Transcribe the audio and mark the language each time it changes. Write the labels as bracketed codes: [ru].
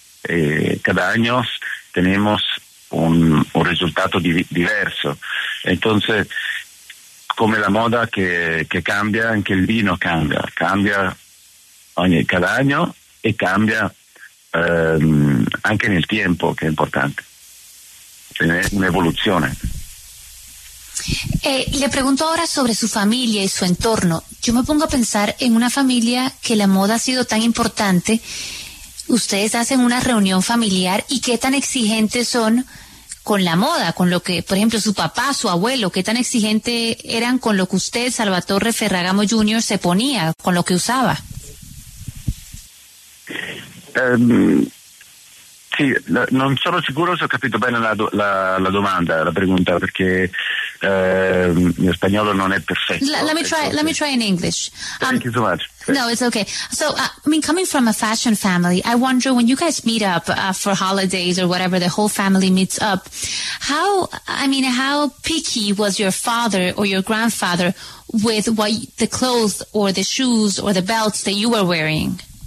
[it] Cada anno tenemos un risultato diverso. Entonces, come la moda che cambia, anche il vino cambia. Cambia cada anno e cambia anche nel tempo, che è importante. [es] Una evolución. Le pregunto ahora sobre su familia y su entorno. Yo me pongo a pensar en una familia que la moda ha sido tan importante. Ustedes hacen una reunión familiar y qué tan exigentes son con la moda, con lo que, por ejemplo, su papá, su abuelo, qué tan exigente eran con lo que usted, Salvatore Ferragamo Jr., se ponía, con lo que usaba. [it] Sì, non sono sicuro se ho capito bene la domanda, la pregunta, perché il mio spagnolo non è perfetto. [en] Let me try in English. Thank you so much. No, it's okay. So, coming from a fashion family, I wonder when you guys meet up for holidays or whatever, the whole family meets up, how picky was your father or your grandfather with what the clothes or the shoes or the belts that you were wearing?